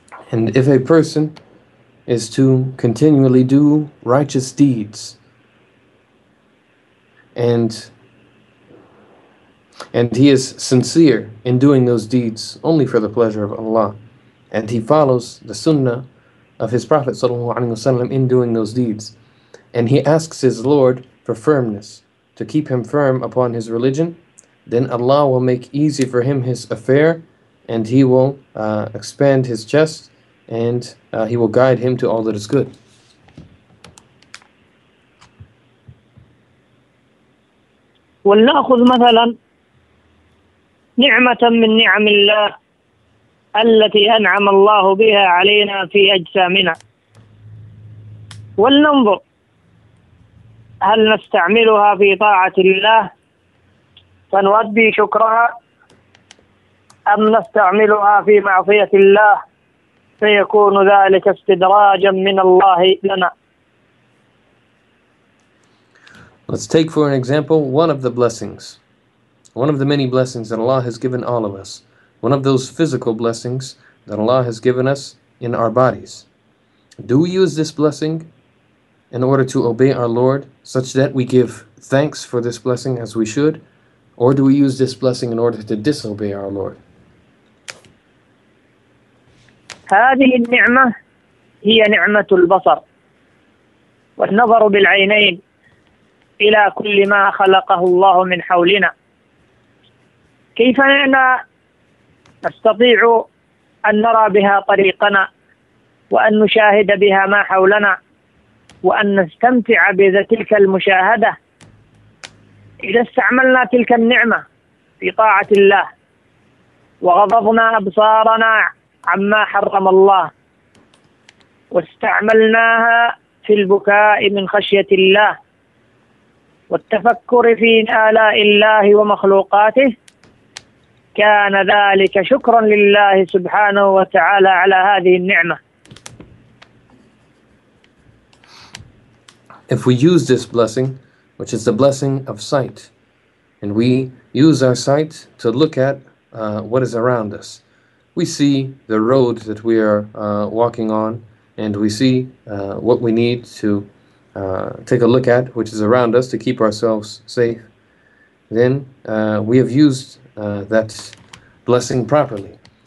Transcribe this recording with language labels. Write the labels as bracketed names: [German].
[English] And if a person is to continually do righteous deeds and he is sincere in doing those deeds only for the pleasure of Allah, and he follows the sunnah of his Prophet sallallahu alaihi wasallam in doing those deeds, and he asks his Lord for firmness to keep him firm upon his religion, then Allah will make easy for him his affair and he will expand his chest, and he will guide him to all that is good. [Arabic] ولنأخذ مثلا نعمة من نعم الله التي أنعم الله بها علينا في أجسامنا، ولننظر هل نستعملها في طاعة الله فنؤدي شكرها، أم نستعملها في معصية الله فيكون ذلك استدراجا من الله لنا. [English] Let's take for an example one of the blessings, one of the many blessings that Allah has given all of us, one of those physical blessings that Allah has given us in our bodies. Do we use this blessing in order to obey our Lord such that we give thanks for this blessing as we should, or do we use this blessing in order to disobey our Lord? [Arabic] هذه النعمة هي نعمة البصر والنظر بالعينين إلى كل ما خلقه الله من حولنا، كيف أننا نستطيع أن نرى بها طريقنا وأن نشاهد بها ما حولنا وأن نستمتع بتلك المشاهدة؟ إذا استعملنا تلك النعمة في طاعة الله وغضضنا أبصارنا عما حرم الله واستعملناها في البكاء من خشية الله والتفكر في آلاء الله ومخلوقاته، كان ذلك شكرا لله سبحانه وتعالى على هذه النعمة. [English] If we use this blessing, which is the blessing of sight, and we use our sight to look at what is around us, we see the road that we are walking on, and we see what we need to take a look at, which is around us, to keep ourselves safe, then we have used that blessing properly.